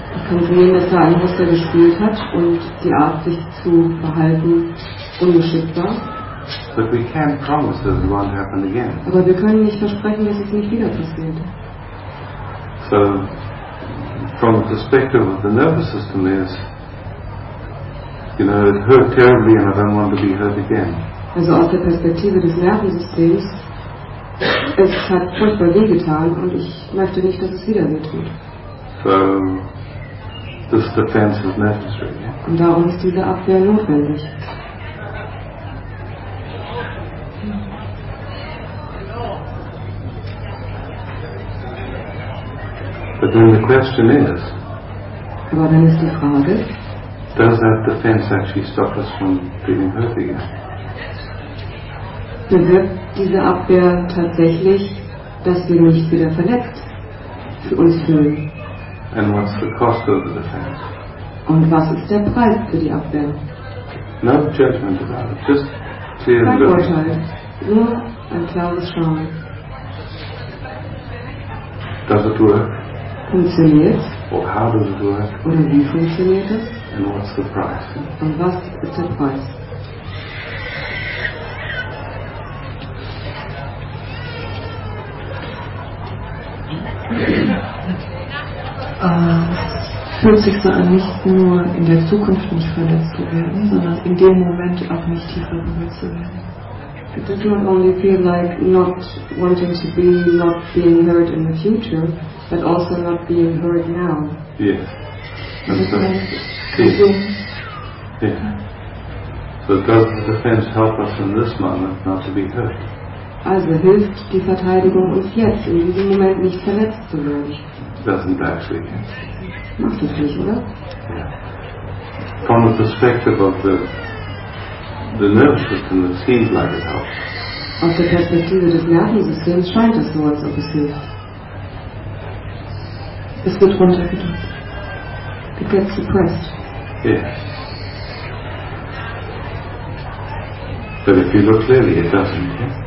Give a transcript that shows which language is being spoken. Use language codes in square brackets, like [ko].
[de] Ich kann sehen, dass da ein Muster gespielt hat und die Art, sich zu verhalten, ungeschickt war. [en] But we can't promise that it won't happen again. [de] Aber wir können nicht versprechen, dass es nicht wieder passiert. [en] So, from the perspective of the nervous system is, you know, it hurt terribly and I don't want to be hurt again. [de] Also aus der Perspektive des Nervensystems, es hat furchtbar weh getan und ich möchte nicht, dass es wieder weh tut. [en] So, this defense is necessary. [de] Und darum ist diese Abwehr notwendig. [en] But then the question is, [de] aber dann ist die Frage, [en] does that defense actually stop us from feeling hurt again? [de] Bewirkt diese Abwehr tatsächlich, dass wir nicht wieder verletzt für uns fühlen? [en] And what's the cost of the defense? [de] Und was ist der Preis für die Abwehr? [en] No judgment about it, just clear [de] kein Urteil, nur ein klares Schauen. [en] Does it work? [de] Funktioniert? [en] Or how does it work? [de] Oder wie funktioniert es? [en] And what's the price? [de] Und was ist der Preis? Was fühlt sich so an, nicht nur in der Zukunft nicht verletzt zu werden, sondern in dem Moment auch nicht tiefer berührt zu werden. [en] It does not only feel like not wanting to be, not being hurt in the future, but also not being hurt now. Yes. Yeah. Yeah. So does the defense help us in this moment not to be hurt? [de] Also hilft die Verteidigung uns jetzt, in diesem Moment nicht verletzt zu werden. [en] Doesn't actually. [de] Macht es nicht, oder? [en] Yeah. From the perspective of the nervous system, it seems like it helps. [de] Aus der Perspektive des Nervensystems scheint es so, als ob es hilft. Es wird runtergedrückt. [en] It gets suppressed. Yeah. But if you look clearly, it doesn't.